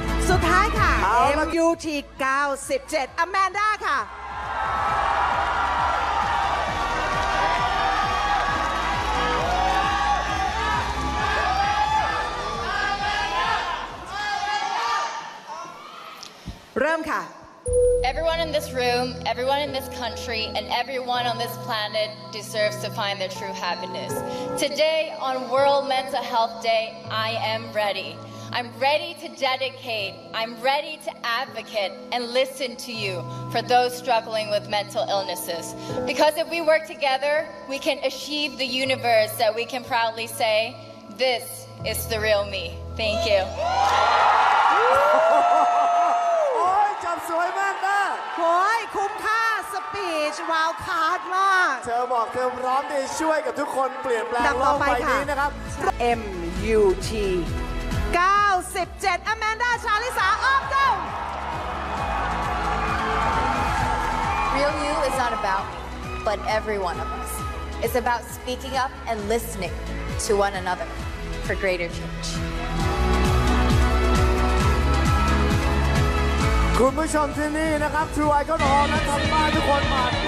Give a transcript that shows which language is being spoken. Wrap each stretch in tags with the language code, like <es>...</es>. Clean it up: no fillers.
<th>สุดท้ายค่ะ MUT 97 Amanda ค่ะเริ่มค่ะ</th> <en>Everyone in this room, everyone in this country, and everyone on this planet deserves to find their true happiness. Today on World Mental Health Day, I am ready. I'm ready to dedicate, I'm ready to advocate and listen to you for those struggling with mental illnesses. Because if we work together, we can achieve the universe that we can proudly say, this is the real me. Thank you.</en> <th>สวยมากนะ โหยคุ้มค่าสปีชวาวคาร์ดมาก เธอบอกเธอพร้อมที่ช่วยกับทุกคนเปลี่ยนแปลงโลกใบนี้นะครับ</th> <en>MUT 97 Amanda Chalisa of the Real You is not about but every one of us it's about speaking up and listening to one another for greater change</en> <th>คุณผู้ชมที่นี่นะครับทรูไอคอนฮอลล์นะครับมาทุกคนมา</th>